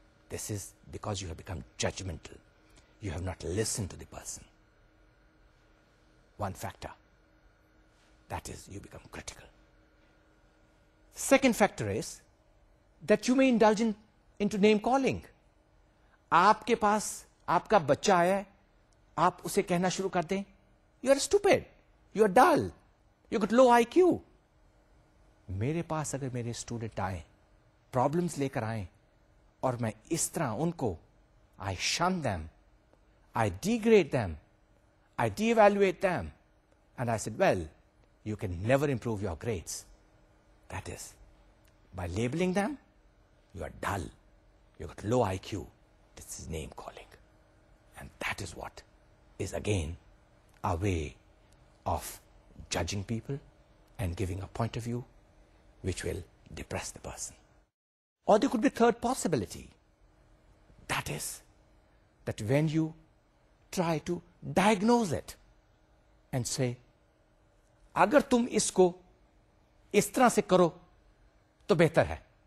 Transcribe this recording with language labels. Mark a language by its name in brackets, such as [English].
[English] This is because you have become judgmental. You have not listened to the person. one factor. That is, you become critical. Second factor is that you may indulge into name calling. [Urdu] آپ کے پاس آپ کا بچہ آیا ہے, آپ اسے کہنا شروع کر دیں [English] You are stupid, you are dull, you got low I Q. [Urdu] میرے پاس اگر میرے اسٹوڈنٹ آئے پرابلمس لے کر آئیں اور میں اس طرح ان کو [English] I shun them, I degrade them, I devaluate them, and I said well you can never improve your grades, that is by labeling them you are dull, you got low I Q, this is name calling. And that is what is again a way of judging people and giving a point of view which will depress the person. Or there could be a third possibility. That is that when you try to diagnose it and say, [Urdu] agar tum isko is tarah se karo to behtar hai.